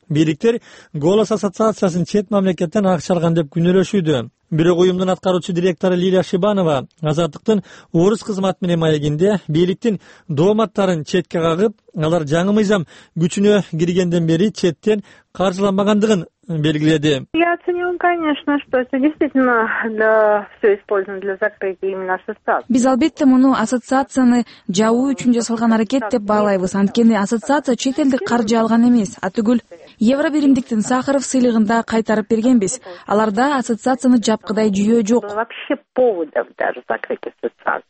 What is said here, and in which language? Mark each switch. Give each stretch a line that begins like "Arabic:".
Kyrgyz: Бийликтер Голос ассоциациясын чет мамлекеттен акча алган деп күнөөлөшүүдө. Бирок уюмдун аткаруучу директору Лилия Шибанова Азаттыктын орус кызматы менен маегинде бийликтин дооматтарын четке кагып, алар жаңы мыйзам күчүнө киргенден бери четтен каржыланбагандыгын белгиледи.
Russian: Я оцениваю, конечно, что это действительно все использовано для закрытия именно ассоциации.
Kyrgyz: Биз албетте муну ассоциацияны жабуу үчүн жасалган аракет деп баалайбыз. Анткени ассоциация чет элдик каржы алган эмес, атүгүл Евро биримдиктин Сахаров сыйлыгында кайтарып бергенбиз. Аларда ассоциацияны жапкыдай жүйө жок.
Russian: Вообще поводов даже закрыть ассоциацию.